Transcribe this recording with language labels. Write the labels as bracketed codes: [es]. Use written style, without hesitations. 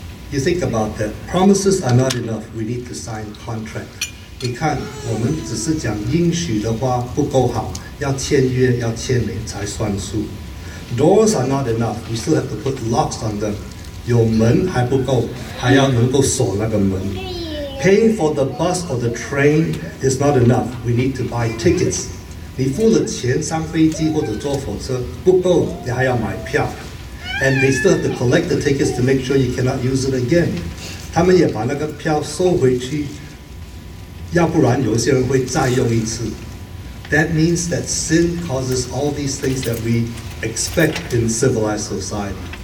[en] You think about that. Promises are not enough. We need to sign contract. [zh] 你看，我们只是讲应许的话不够好，要签约，要签名才算数。 [en] Doors are not enough. We still have to put locks on them. [zh] 有门还不够，还要能够锁那个门。 [en] Paying for the bus or the train is not enough. We need to buy tickets. [zh] 你付了钱上飞机或者坐火车不够，你还要买票。 [en] And they still have to collect the tickets to make sure you cannot use it again. [zh] 他们也把那个票收回去，要不然有些人会再用一次。 [en] That means that sin causes all these things that we expect in civilized society.